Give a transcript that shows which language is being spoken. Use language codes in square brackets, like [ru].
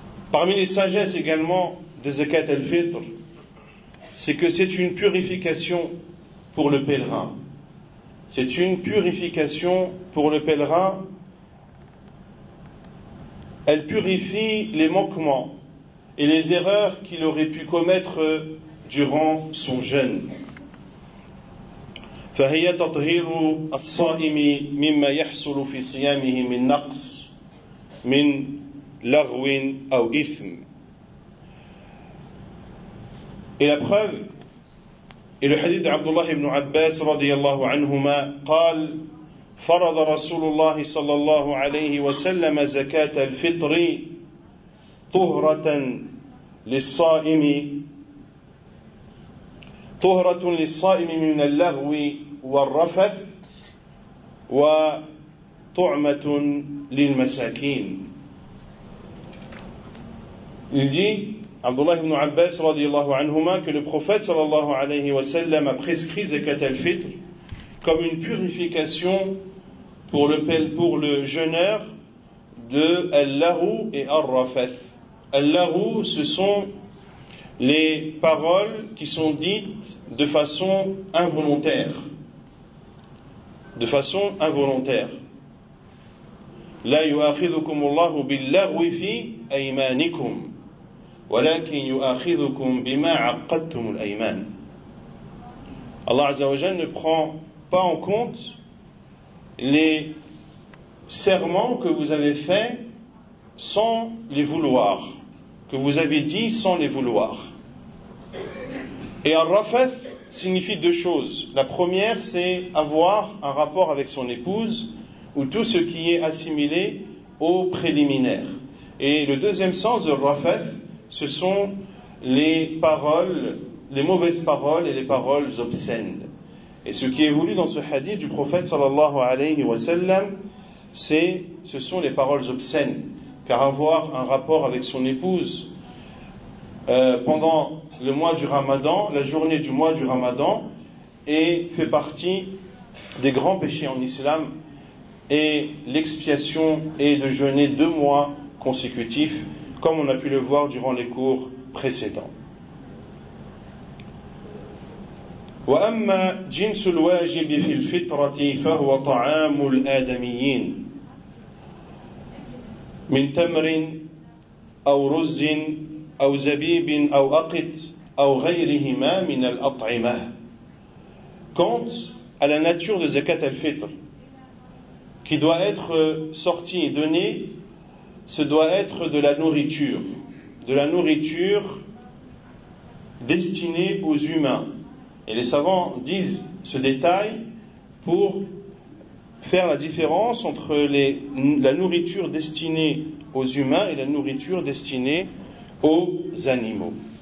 [fr] Parmi les sagesses également de Zakat al-Fitr, c'est que c'est une purification pour le pèlerin. C'est une purification pour le pèlerin. Elle purifie les manquements et les erreurs qu'il aurait pu commettre durant son jeûne. [ar] فهي تطهير الصائم مما يحصل في صيامه من نقص من لغو أو إثم. [fr] Et la preuve est le hadith d'Abdullah ibn Abbas radiyallahu anhuma [ar] قال فرض رسول الله صلى الله عليه وسلم زكاة الفطر طهرة للصائم طهرة للصائم من اللغو والرفث وطعمة للمساكين. [fr] Il dit, Abdullah ibn Abbas radiyallahu anhuma, que le prophète sallallahu alayhi wa sallam a prescrit zakat al-fitr comme une purification pour le jeûneur de al-lahu et al-rafath. Al-lahu, ce sont les paroles qui sont dites de façon involontaire. De façon involontaire. [ar] La yu'akhidhukum Allahu bil-lahwi fi aymanikum. ولكن يؤاخذكم بما عقدتم الايمان. [fr] Allah Azza wa Jalla ne prend pas en compte les serments que vous avez faits sans les vouloir, que vous avez dit sans les vouloir. Et al-rafath signifie deux choses. La première, c'est avoir un rapport avec son épouse ou tout ce qui est assimilé au préliminaire. Et le deuxième sens de al-rafath, ce sont les paroles, les mauvaises paroles et les paroles obscènes. Et ce qui est voulu dans ce hadith du prophète sallallahu alayhi wa sallam, ce sont les paroles obscènes. Car avoir un rapport avec son épouse pendant le mois du Ramadan, la journée du mois du Ramadan, fait partie des grands péchés en islam. Et l'expiation est de jeûner 2 mois consécutifs, comme on a pu le voir durant les cours précédents. [ar] وأما جنس الواجب في الفطرة فهو طعام الآدميين من تمر أو رز أو زبيب أو أقط أو غيرهما من الأطعمة. [fr] Quant à la nature de zakat al-fitr, qui doit être sortie et donnée, ce doit être de la nourriture destinée aux humains. Et les savants disent ce détail pour faire la différence entre la nourriture destinée aux humains et la nourriture destinée aux animaux.